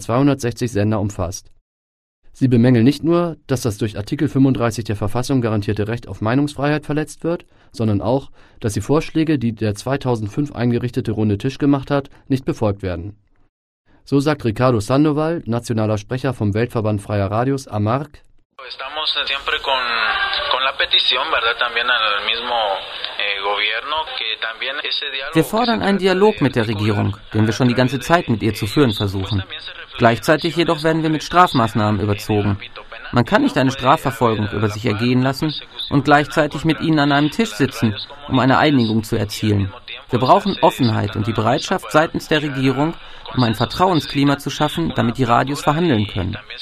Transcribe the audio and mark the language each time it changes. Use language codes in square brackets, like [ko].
[de] 260 Sender umfasst. Sie bemängeln nicht nur, dass das durch Artikel 35 der Verfassung garantierte Recht auf Meinungsfreiheit verletzt wird, sondern auch, dass die Vorschläge, die der 2005 eingerichtete Runde Tisch gemacht hat, nicht befolgt werden. So sagt Ricardo Sandoval, nationaler Sprecher vom Weltverband Freier Radios, AMARC. [es] Estamos siempre con la petición, ¿verdad? También al mismo gobierno que también ese diálogo. [de] Wir fordern einen Dialog mit der Regierung, den wir schon die ganze Zeit mit ihr zu führen versuchen. Gleichzeitig jedoch werden wir mit Strafmaßnahmen überzogen. Man kann nicht eine Strafverfolgung über sich ergehen lassen und gleichzeitig mit ihnen an einem Tisch sitzen, um eine Einigung zu erzielen. Wir brauchen Offenheit und die Bereitschaft seitens der Regierung, um ein Vertrauensklima zu schaffen, damit die Radios verhandeln können.